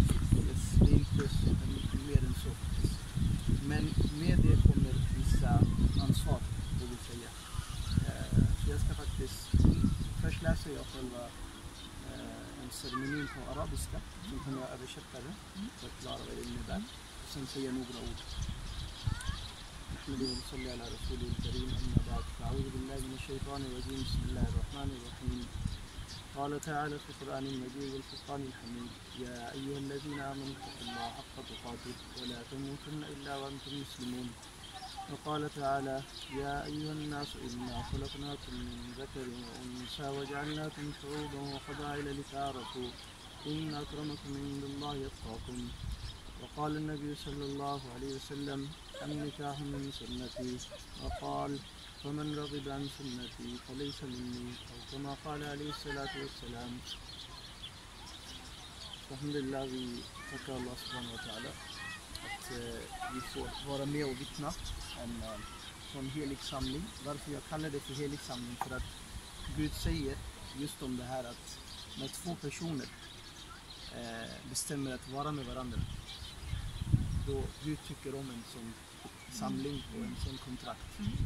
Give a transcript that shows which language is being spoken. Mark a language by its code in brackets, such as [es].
[sv] Det är inte mer än så. Men med det kommer vissa ansvar, vill jag säga. Så jag ska faktiskt, först läser jag själva en ceremoni på arabiska, så kan jag översätta det för att klara vad det innebär. Och sen säger jag några ord. [ar] اللهم صل على رسول الكريم أما بعد فأعوذ بالله من الشيطان الرجيم بسم الله الرحمن الرحيم قال تعالى في القرآن المجيد والفرقان الحميد يا أيها الذين آمنوا اتقوا الله حق تقاته ولا تموتن إلا وأنتم مسلمون وقال تعالى يا أيها الناس إنا خلقناكم من ذكر وأنثى وجعلناكم شعوبا وقبائل لتعارفوا إن أكرمكم عند الله أتقاكم وقال النبي صلى الله عليه وسلم النكاح من سنتي وقال فمن رغب عن سنتي فليس مني أو كما قال عليه الصلاة والسلام الحمد لله وتعالى الله سبحانه وتعالى [sv] vi får vara med och vittna en sån helig samling. Varför jag kallar det för helig samling? För att Gud säger just om det här att när två personer bestämmer att vara med varandra, då Gud tycker om en sån samling och en sån kontrakt.